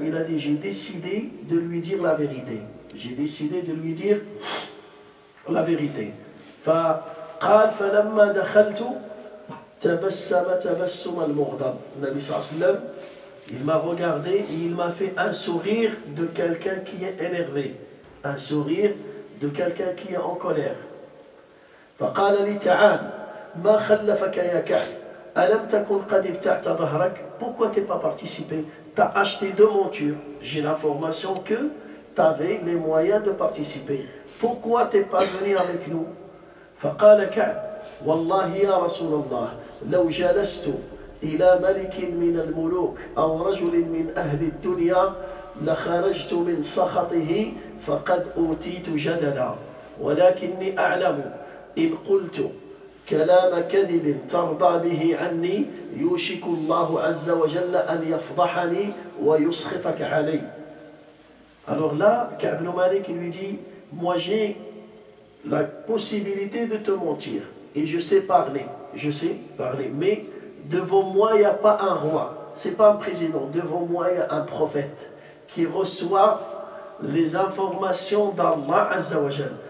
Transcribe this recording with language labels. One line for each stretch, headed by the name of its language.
French: Il a dit, j'ai décidé de lui dire la vérité. J'ai décidé de lui dire la vérité. Fa qala falamma dakhaltu Tabassama tabassum al-mughdab. Le Nabi sallallahu alayhi wa sallam, il m'a regardé et il m'a fait un sourire de quelqu'un qui est énervé. Un sourire de quelqu'un qui est en colère.
Arabic: فقال لي تعال ما خلفك يا كعب ألم تكن قد ابتعت ظهرك؟ Pourquoi t'es pas participé?
French: T'as acheté deux montures. J'ai l'information que t'avais les moyens de participer. Pourquoi t'es pas venu avec nous?
Arabic: فقال كعب والله يا رسول الله لو جلست إلى ملك من الملوك أو رجل من أهل الدنيا لخرجت من سخطه فقد أوتيت جدلا ولكني أعلم إن قلت كلام كذب ترضى به عني يوشك الله عز وجل أن يفضحني ويسخطك علي.
French: Alors là, Ka'b ibn Malik lui dit, moi j'ai la possibilité de te mentir et je sais parler, mais devant moi il n'y a pas un roi, c'est pas un président, devant moi il y a un prophète qui reçoit les informations d'Allah Azza wa Jal.